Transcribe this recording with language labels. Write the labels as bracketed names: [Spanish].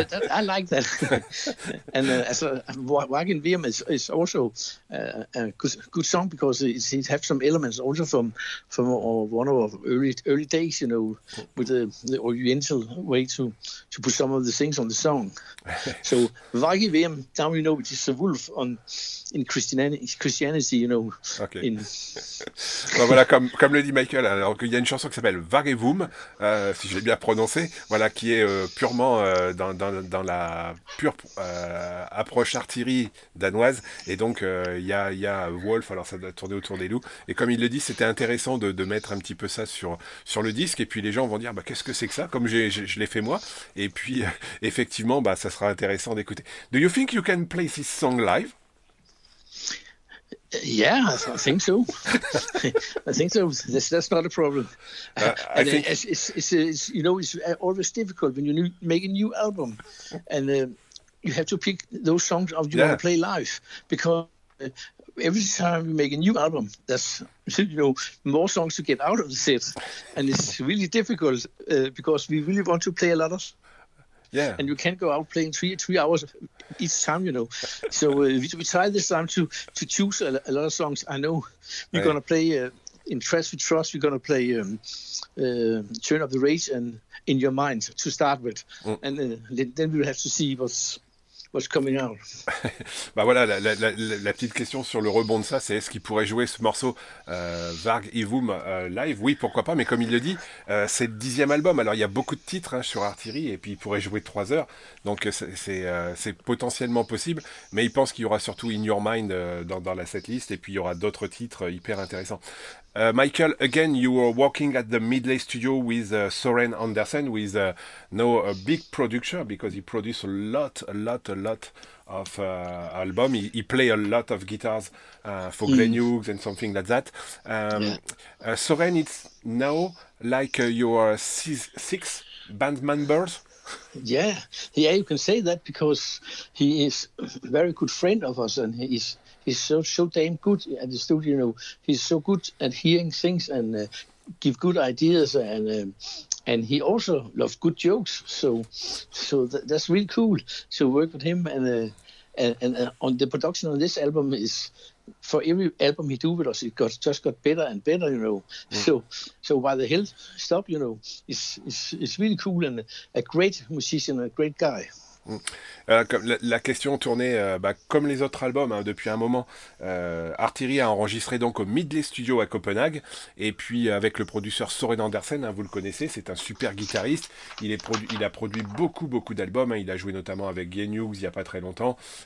[English] I like that. And as a Wagon Vim is also a good song, because it has some elements also from one of our early days, you know, with the oriental way to put some of the things on the song. So Wagon Vim, now you know, which is a wolf in Christianity, you know. [French] Okay. Voilà, comme le dit Michael, alors qu'il y a une chanson qui s'appelle Varevum, si je l'ai bien prononcé, voilà, qui est purement dans la pure approche artillerie danoise. Et donc, il y a Wolf, alors ça doit tourner autour des loups. Et comme il le dit, c'était intéressant de mettre un petit peu ça sur le disque. Et puis, les gens vont dire, bah, qu'est-ce que c'est que ça? Comme je l'ai fait moi. Et puis, effectivement, bah, ça sera intéressant d'écouter. [English] Do you think you can play this song live? Yeah, I think so. I think so. That's not a problem. I think it's you know, it's always difficult when you make a new album, and you have to pick those songs of you want to play live, because every time you make a new album, there's, you know, more songs to get out of the set, and it's really difficult because we really want to play a lot of. Yeah. And you can't go out playing three hours each time, you know. So we try this time to choose a lot of songs. I know we're going to play In Trust We Trust, we're going to play Turn Up the Rage and In Your Mind to start with. Mm. And then we'll have to see what's coming out. [French] Bah voilà, la petite question sur le rebond de ça, c'est est-ce qu'il pourrait jouer ce morceau Varg Ivum live? Oui, pourquoi pas, mais comme il le dit, c'est le 10e album, alors il y a beaucoup de titres hein, sur Artillery, et puis il pourrait jouer 3 heures, donc c'est potentiellement possible, mais il pense qu'il y aura surtout In Your Mind dans la setlist, et puis il y aura d'autres titres hyper intéressants. [English] Michael, again, you were working at the Midley studio with Søren Andersen, who is now a big producer because he produced a lot of album. He play a lot of guitars for Glenn Hughes and something like that. Søren, it's now like your sixth band members. Yeah, you can say that because he is a very good friend of us, and he's so damn good at the studio. You know, he's so good at hearing things and give good ideas, and he also loves good jokes. So that's really cool to work with him. And on the production on this album is, for every album he do with us, it just got better and better. You know, so why the hell stop? You know, it's really cool and a great musician, a great guy. [French] La question tournait comme les autres albums hein, depuis un moment. Artillery a enregistré donc au Midley Studio à Copenhague, et puis avec le producteur Søren Andersen, hein, vous le connaissez, c'est un super guitariste. Il a produit beaucoup d'albums. Hein, il a joué notamment avec Glenn Hughes il n'y a pas très longtemps.